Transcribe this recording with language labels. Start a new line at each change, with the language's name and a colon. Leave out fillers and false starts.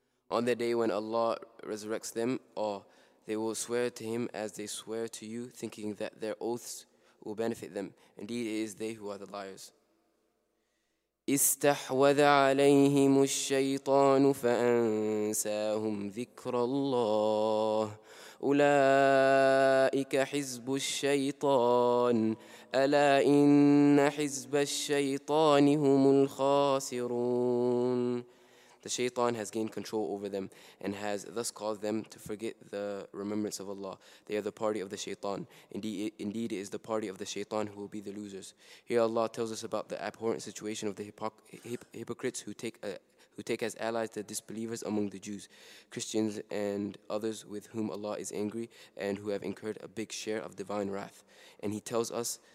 English: On the day when Allah resurrects them, or they will swear to him as they swear to you, thinking that their oaths will benefit them. Indeed, it is they who are the liars.
Arabic: استحوذ عليهم الشيطان فأنساهم ذكر الله أولئك حزب الشيطان ألا إن حزب الشيطان هم الخاسرون.
English: The shaitan has gained control over them and has thus caused them to forget the remembrance of Allah. They are the party of the shaitan. Indeed, it is the party of the shaitan who will be the losers. Here Allah tells us about the abhorrent situation of the hypocrites who take as allies the disbelievers among the Jews, Christians, and others with whom Allah is angry and who have incurred a big share of divine wrath. And he tells us